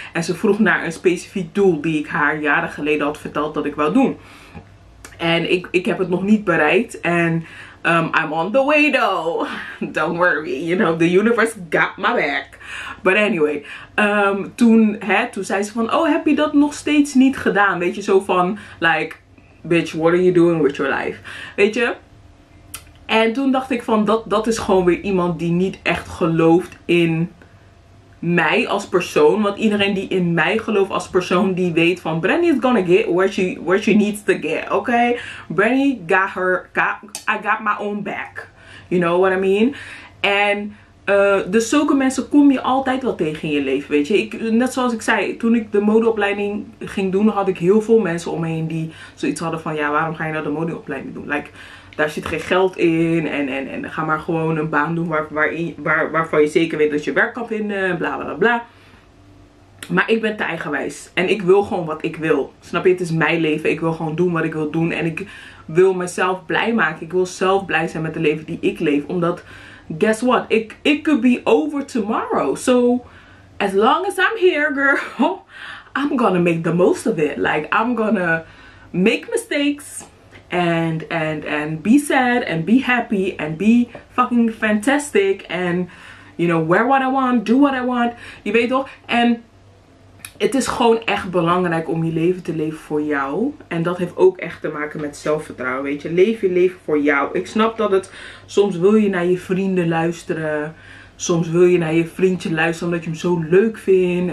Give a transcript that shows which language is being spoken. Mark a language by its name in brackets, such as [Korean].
[Dutch] En ze vroeg naar een specifiek doel die ik haar jaren geleden had verteld dat ik wou doen. En ik heb het nog niet bereikt. [English] En I'm on the way though. Don't worry. You know, the universe got my back. But anyway. [Dutch] Toen zei ze van, oh, heb je dat nog steeds niet gedaan? Weet je, zo van, [English] like, bitch, what are you doing with your life? [Dutch] Weet je? En toen dacht ik van, dat is gewoon weer iemand die niet echt gelooft in mij als persoon. Want iedereen die in mij gelooft als persoon, die weet van, Brandy [English] is gonna get what she needs to get, okay? Brandy got her, I got my own back. You know what I mean? [Dutch] En dus zulke mensen kom je altijd wel tegen in je leven, weet je. Net zoals ik zei, toen ik de modeopleiding ging doen, had ik heel veel mensen om me heen die zoiets hadden van, ja, waarom ga je nou de modeopleiding doen? Like, daar zit geen geld in en ga maar gewoon een baan doen waarvan je zeker weet dat je werk kan vinden, bla bla bla. Maar ik ben te eigenwijs en ik wil gewoon wat ik wil. Snap je, het is mijn leven. Ik wil gewoon doen wat ik wil doen en ik wil mezelf blij maken. Ik wil zelf blij zijn met het leven die ik leef, omdat, [English] guess what? It could be over tomorrow. So, as long as I'm here, girl, I'm gonna make the most of it. Like, I'm gonna make mistakes and be sad and be happy and be fucking fantastic and, you know, wear what I want, do what I want. [Dutch] Je weet toch? En het is gewoon echt belangrijk om je leven te leven voor jou. En dat heeft ook echt te maken met zelfvertrouwen, weet je. Leef je leven voor jou. Ik snap dat het, soms wil je naar je vrienden luisteren. Soms wil je naar je vriendje luisteren omdat je hem zo leuk vindt.